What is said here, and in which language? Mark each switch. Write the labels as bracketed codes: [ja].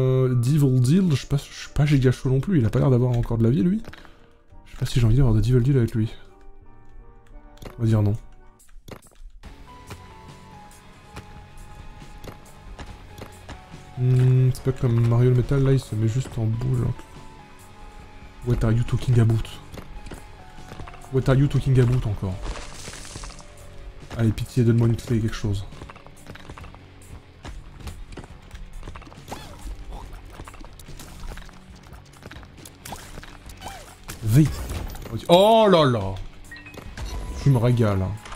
[fr] Devil Deal, je suis pas giga chaud non plus, il a pas l'air d'avoir encore de la vie lui. Je sais pas si j'ai envie d'avoir de Devil Deal avec lui. On va dire non. C'est pas comme Mario le Metal là, il se met juste en boule. [en] What are you talking about? What are you talking about [fr] encore? Allez, pitié, donne-moi une clé, quelque chose. Vite. Oh là là, tu me régales.